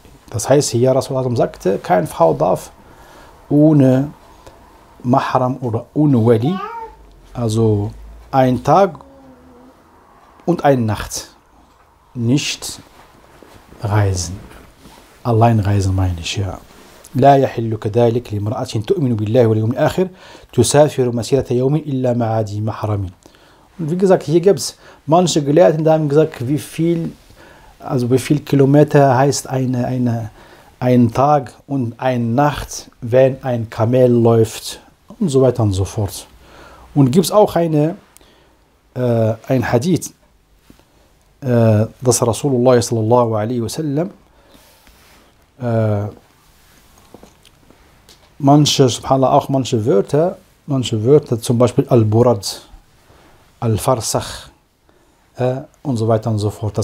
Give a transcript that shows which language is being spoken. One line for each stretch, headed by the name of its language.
German: Das heißt, hier Rasulullah Sallam sagte, keine Frau darf ohne Mahram oder ohne Wali, also ein Tag und eine Nacht, nicht reisen. Allein reisen meine ich, ja.
Arabic: لا يحل كذلك لامرأة تؤمن بالله واليوم الآخر تسافر مسيرة يوم إلا مع ذي محرم.
German: Wie gesagt, hier gibt es manche Gelehrten, die haben gesagt, wie viel Kilometer heißt ein Tag und eine Nacht, wenn ein Kamel läuft und so weiter und so fort. Und gibt es auch ein Hadith, dass Rasulullah sallallahu alaihi wasallam manche Wörter, zum Beispiel Al-Burad, Al-Farsach und so weiter und so fort.